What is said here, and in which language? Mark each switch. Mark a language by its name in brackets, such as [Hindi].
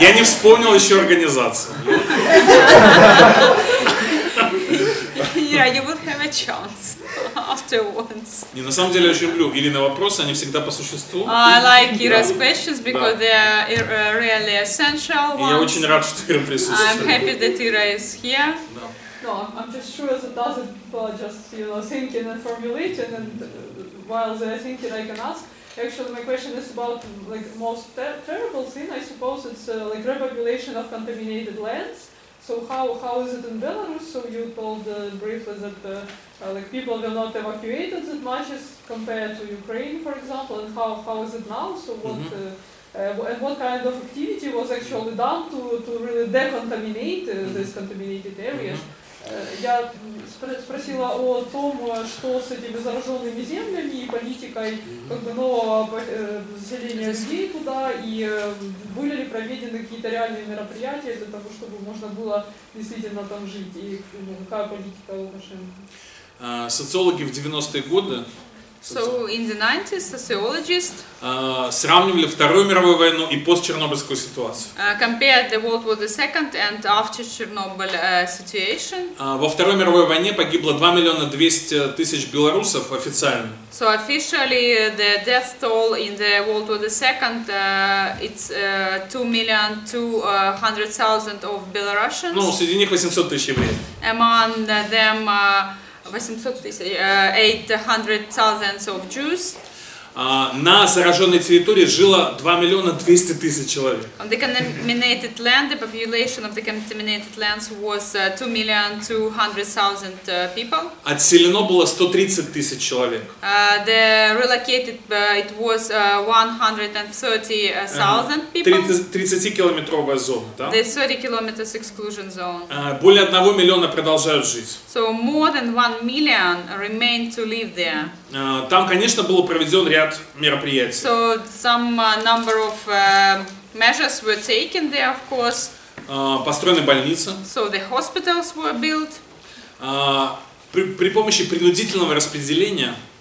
[Russian] Я не вспомнил еще организацию. [English] Yeah, you would have a chance. afterwards. [Russian] Не, на самом деле очень люблю Ирины на вопросы, они всегда по существу. [English] I like Ira's questions because they are really essential ones. [Russian] И я очень рад, что Ира присутствует. [English] I'm happy that Ira is here. [Russian] Да. [English] No, I'm just sure that doesn't just you know thinking and formulating and while they're thinking I can ask. Actually, my question is about like most terrible thing. I suppose it's like repopulation of contaminated lands. So how is it in Belarus? So you told briefly that like people were not evacuated that much as compared to Ukraine, for example. And how is it now? So what? Mm-hmm. And what kind of activity was actually done to really decontaminate these contaminated areas? [Russian] Я спросила о том, что с этими зараженными землями и политикой как бы нового заселения людей туда, и были ли проведены какие-то реальные мероприятия для того, чтобы можно было действительно там жить, и ну, какая политика в отношении? Социологи в 90-е годы. [English] So in the 90s, sociologists [Russian] сравнивали Вторую мировую войну и постчернобыльскую ситуацию. [English] Compared the World War II and after Chernobyl situation. [Russian] Во Второй мировой войне погибло 2,200,000 белорусов официально. [English] So officially the death toll in the World War II it's 2,200,000 of Belarusians. [Russian] Ну, среди них 800,000 евреев. [English] Among them 800,000 of Jews. [Russian] На зараженной территории жило 2,200,000 человек. [English] On the contaminated land, the population of the contaminated lands was 2,200,000 people. [Russian] Отселено было 130,000 человек. [English] The relocated it was 130,000 people. [Russian] 30-километровая зона, да? [English] The 30 kilometers exclusion zone. [Russian] Более 1 миллиона продолжают жить. [English] So more than 1 million remain to live there. [Russian] Там, конечно, был проведен ряд мероприятий. [English] So some number of measures were taken there, of course. [Russian] Построены больницы. [English] So the hospitals were built. [Russian] При помощи принудительного распределения.